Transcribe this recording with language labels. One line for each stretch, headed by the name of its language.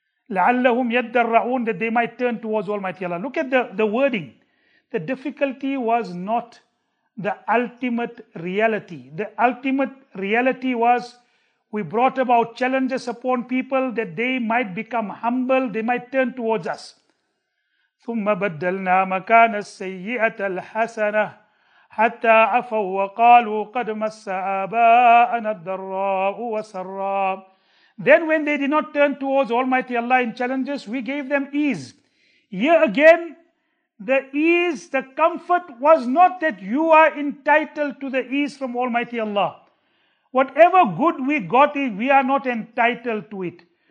Arabic: لَعَلَّهُمْ يَدَّرَّعُونَ,
English: that they might turn towards Almighty Allah. Look at the wording. The difficulty was not the ultimate reality. The ultimate reality was we brought about challenges upon people that they might become humble, they might turn towards us.
Arabic: ثُمَّ بَدَّلْنَا مَكَانَ السَّيِّئَةَ الْحَسَنَةَ حتى عفوا وقالوا قد مس آباءنا الضراء والسراء.
English: Then when they did not turn towards Almighty Allah in challenges, we gave them ease. Here again, the ease, the comfort was not that you are entitled to the ease from Almighty Allah. Whatever good we got, we are not entitled to it.